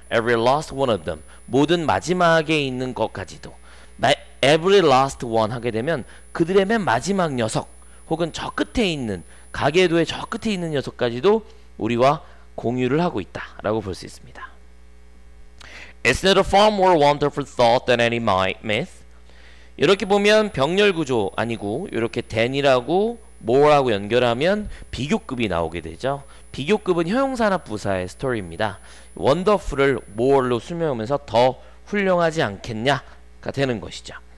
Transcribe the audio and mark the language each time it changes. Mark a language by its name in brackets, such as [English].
[English] Every last one of them. [Korean] 모든 마지막에 있는 것까지도. [English] Every last one [Korean] 하게 되면 그들의 맨 마지막 녀석 혹은 저 끝에 있는 가계도의 저 끝에 있는 녀석까지도 우리와 공유를 하고 있다 라고 볼 수 있습니다. [English] Is it a far more wonderful thought than any myth? [Korean] 이렇게 보면 병렬구조 아니고 이렇게 than이라고 more라고 연결하면 비교급이 나오게 되죠. 비교급은 형용사나 부사의 story입니다. wonderful을 more로 수명하면서 더 훌륭하지 않겠냐가 되는 것이죠.